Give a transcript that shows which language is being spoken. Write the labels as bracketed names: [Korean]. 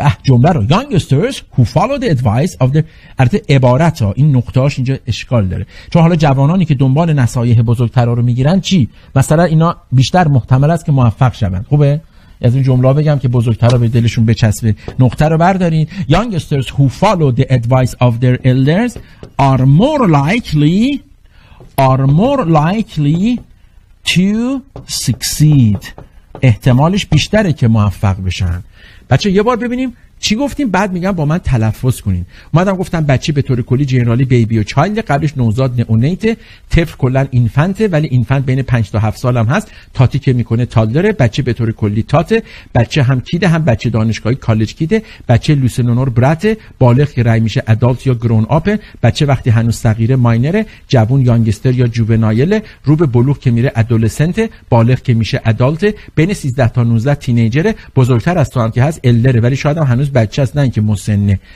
[Persian] به جمله رو [English] youngsters who follow the advice of the [Persian] البته عبارت ها این نقطه‌اش اینجا اشکال داره، چون حالا جوانانی که دنبال نصایح بزرگترا رو میگیرن چی؟ مثلا اینا بیشتر محتمل است که موفق شوند. خوبه؟ از این جمله بگم که بزرگترا به دلشون بچسبه، نقطه رو بردارین. [English] youngsters who follow the advice of their elders are more likely to succeed. [Persian] احتمالش بیشتره که موفق بشن. بچه یه بار ببینیم چی گفتیم، بعد میگم با من تلفظ کنین. اومدم گفتم بچه به طور کلی جنرالی بیبی و چایلد، قبلش نوزاد نئونیت، طفل کلا اینفنت، ولی اینفنت بین 5 تا 7 سالم هست، تاتی که میکنه تادلره، بچه به طور کلی تات، بچه هم کیده هم بچه دانشگاهی کالج کیده، بچه لوسنونور برات، بالغ که رای میشه ادالت یا گرون اپ، بچه وقتی هنوز صغیره ماینر، جوون یانگستر یا جوونایل، رو به بلوغ که میره ادولسنت، بالغ که میشه ادالت، بین 13 تا 19 تینیجر، بزرگتر از تو هم که هست الدره، ولی شاید هنوز بچه هست، نه اینکه مسنه.